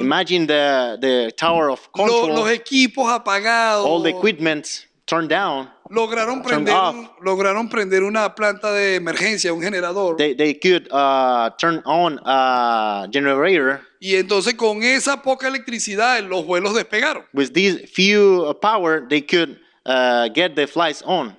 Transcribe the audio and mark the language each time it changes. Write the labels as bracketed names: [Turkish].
[English] Imagine the tower of control. [Spanish] Los equipos apagados. [English] All the equipment turned down. [Spanish] Lograron prender una planta de emergencia, un generador. [English] They could turn on a generator. [Spanish] Y entonces con esa poca electricidad los vuelos despegaron. [English] With this few power they could get the flights on.